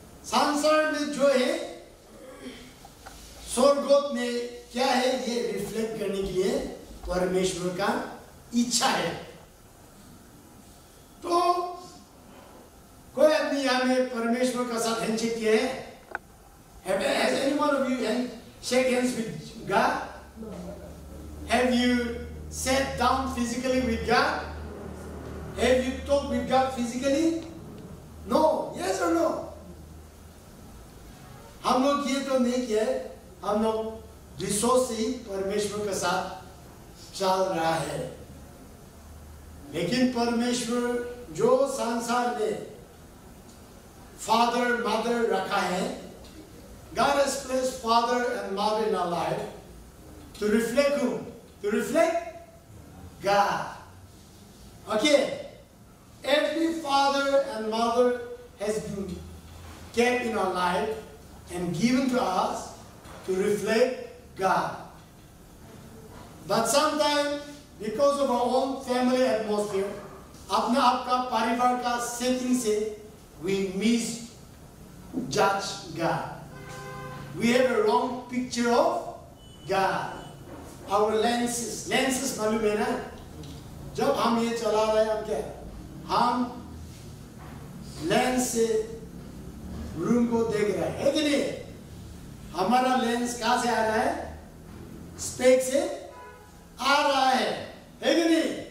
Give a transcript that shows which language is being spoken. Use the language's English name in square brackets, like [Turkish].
[Hindi] संसार में जो है स्वर्ग में क्या है ये रिफ्लेक्ट करने के लिए परमेश्वर का इच्छा है तो कोई आदमी हमें परमेश्वर का साथ हैंडशेक किया है [English] Have has anyone of you shake hands with God? Have you sat down physically with God? Have you talked with God physically? No. Yes or no? हम लोग ये तो नहीं किए हम लोग resource ही परमेश्वर के साथ चल रहा है लेकिन परमेश्वर जो संसार में फादर मदर रखा है God has placed father and mother in our life to reflect whom? To reflect God. Okay. Every father and mother has been kept in our life and given to us to reflect God. But sometimes, because of our own family atmosphere, [Hindi] apna apka parivar ka setting se, [English] we misjudge God. We have a wrong picture of God. Our lenses [Hindi] मालूम है ना? जब हम ये चला रहे हैं क्या? हम lens से room को देख रहे हैं कि नहीं? हमारा lens कहाँ से आ रहा है? Spec से आ रहा है कि नहीं?